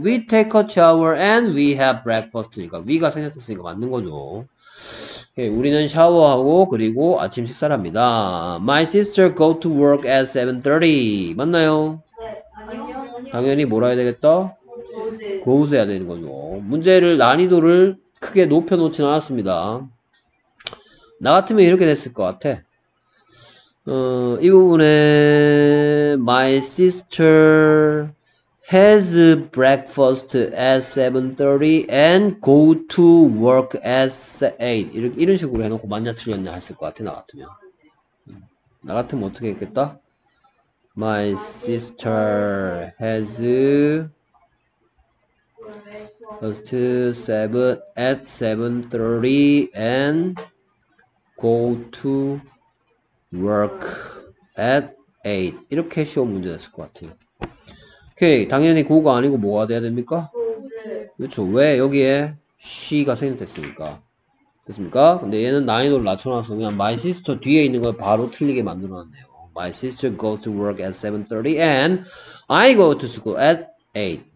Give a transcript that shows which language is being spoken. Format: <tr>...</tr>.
<en>We take a shower and we have breakfast.</en> <ko>그러니까 we가 생략됐으니까 맞는 거죠. 우리는 샤워하고 그리고 아침 식사를 합니다.</ko> <en>My sister go to work at 7:30.</en> <ko>맞나요? 네, 아니요. 당연히 뭐라 해야 되겠다?</ko> <en>goes</en> <ko>해야 되는 거죠. 문제를 난이도를 크게 높여 놓진 않았습니다. 나 같으면 이렇게 됐을 것 같아. 이 부분에</ko> <en>My sister has breakfast at 7:30 and go to work at 8.</en> <ko>이렇게, 이런 식으로 해놓고 맞냐 틀렸냐 했을 것 같아, 나 같으면. 나 같으면 어떻게 했겠다?</ko> <en>My sister has breakfast at 7:30 and go to work at 8.</en> <ko>이렇게 시험 문제 됐을 것 같아요. 오케이. 당연히 고가 아니고 뭐가 돼야 됩니까? 그렇죠. 왜 여기에 she가 생략됐으니까. 됐습니까? 근데 얘는 난이도를 낮춰놔서 그냥</ko> <en>my sister</en> <ko>뒤에 있는 걸 바로 틀리게 만들어놨네요.</ko> <en>My sister goes to work at 7:30 and I go to school at 8.</en>